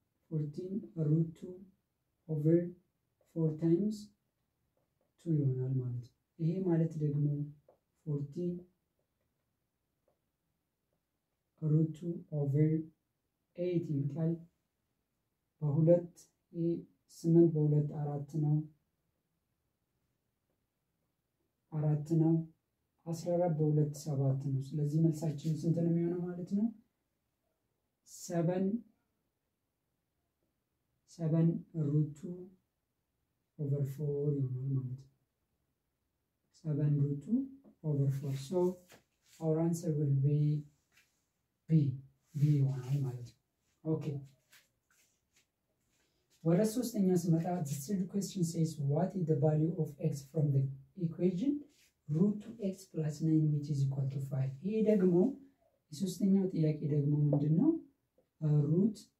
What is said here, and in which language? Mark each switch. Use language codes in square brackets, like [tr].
[am] 14 ሩት 2 ኦቨር 4 ታይምስ 2 ይሆናል ማለት ነው። ይሄ ማለት ደግሞ 14 ሩት 2 ኦቨር 8 ይመጣል። በሁለት ይሄ 8 በሁለት 4 ነው። አራት ነው። 14 በሁለት 7 ነው። ስለዚህ መልሳችን ስንት ነው የሚሆነው ማለት ነው? 7 ሩት 2 ኦቨር 4 ይሆናል ማለት ነው። [en] 7 ሩት 2 ኦቨር 4 ሶ our answer will be b ይሆናል ማለት ነው። [am] ኦኬ ወደ ሶስተኛ ስመጣ [en] the third question says what is the value of x from the equation root 2x plus 9 which is equal to 5. [am] ይሄ ደግሞ የሶስተኛው ጥያቄ ደግሞ ምንድን ነው? ሩት